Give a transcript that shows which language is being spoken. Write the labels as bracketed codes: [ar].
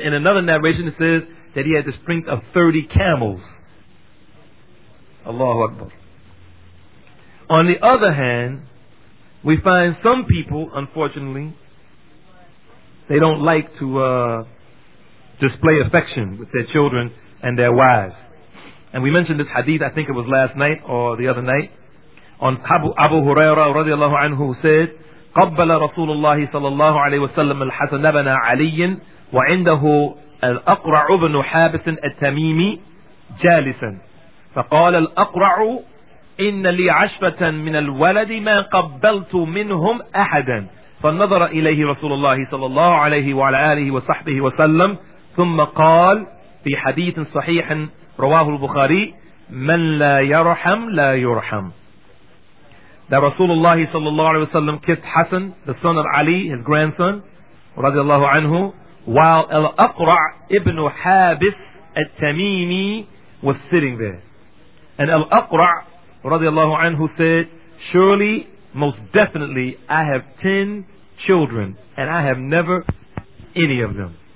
[en] In another narration it says that he had the strength of 30 camels. Allahu Akbar. On the other hand, we find some people, unfortunately, they don't like to display affection with their children and their wives. And we mentioned this hadith, I think it was last night or the other night, on Abu Huraira radiallahu anhu said, [ar] قَبَّلَ رَسُولُ اللَّهِ صَلَى اللَّهُ عَلَيْهِ وَسَلَّمَ الْحَسَنَ بْنَ عَلِيٍّ وَعِنْدَهُ الْأَقْرَعُ بْنُ حَابِسٍ التَّمِيمِ جَالِسًا فَقَالَ الْأَقْرَعُ إِنَّ لِي عَشْفَةً مِنَ الْوَلَدِ مَا قَبَّلْتُ مِنْهُمْ أَحَدًا فَنَظَرَ إِلَيْهِ رَسُولُ اللَّهِ صَلَى اللَّهُ عَلَيْهِ وَعَلَى آلِهِ وَصَحْبِهِ وَسَلَّمَ ثُمَّ قَالَ فِي حَدِيثٍ صَحِيحٍ رَوَاهُ الْبُخَارِي مَنْ لَا يَرْحَمْ لَا يُرْحَمْ. [en] That Rasulullah sallallahu alayhi wa sallam kissed Hassan, the son of Ali, his grandson, radiallahu anhu, while Al-Aqra' ibn Habis al-Tamimi was sitting there. And Al-Aqra' radiallahu anhu said, surely, most definitely, I have 10 children, and I have never any of them.